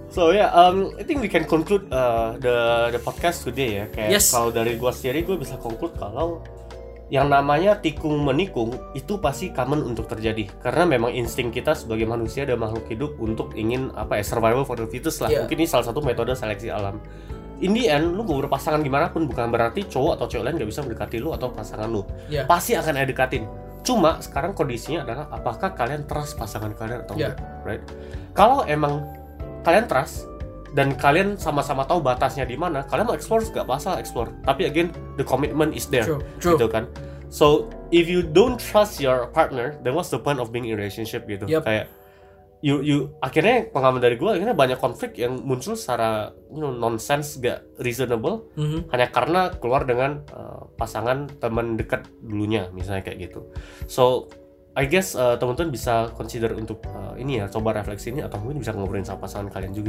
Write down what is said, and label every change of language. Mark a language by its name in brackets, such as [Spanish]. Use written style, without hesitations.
[English] So I think we can conclude the podcast today ya. [Indonesian] Kayak kalau dari gue sendiri, gue bisa conclude kalau yang namanya tikung menikung itu pasti common untuk terjadi, karena memang insting kita sebagai manusia dan makhluk hidup untuk ingin apa ya, [English] survival for the fittest [Indonesian] lah. Mungkin ini salah satu metode seleksi alam. [English] In the end, [Indonesian] lu gak berpasangan gimana pun bukan berarti cowok atau cewek lain gak bisa mendekati lu atau pasangan lu. Pasti akan ada dekatin, cuma sekarang kondisinya adalah apakah kalian trust pasangan kalian atau enggak, right? Kalau emang kalian trust dan kalian sama-sama tahu batasnya di mana, kalian mau explore enggak masalah explore. [English] Tapi again, the commitment is there. True. [Indonesian] Gitu kan. [English] So, if you don't trust your partner, then what's the point of being in relationship [Indonesian] gitu? Kayak you akhirnya pengalaman dari gue akhirnya banyak konflik yang muncul secara nonsense, gak reasonable, hanya karena keluar dengan pasangan teman dekat dulunya misalnya kayak gitu. [English] So I guess [Indonesian] teman-teman bisa consider untuk ini ya, coba refleksi ini, atau mungkin bisa ngobrolin sama pasangan kalian juga.